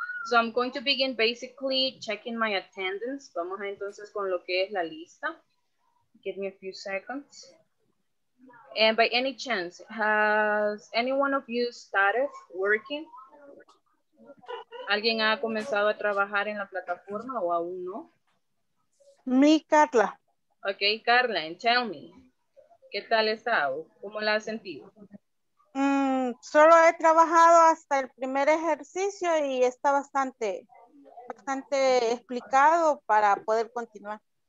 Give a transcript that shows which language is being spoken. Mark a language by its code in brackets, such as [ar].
[en] So, I'm going to begin basically checking my attendance. [es] Vamos a entonces con lo que es la lista. [en] Give me a few seconds. And by any chance, has any one of you started working? [es] ¿Alguien ha comenzado a trabajar en la plataforma o aún no? Mi Carla. Okay, Carla, [en] and tell me, [es] ¿qué tal está? ¿Cómo la has sentido? Solo he trabajado hasta el primer ejercicio y está bastante explicado para poder continuar.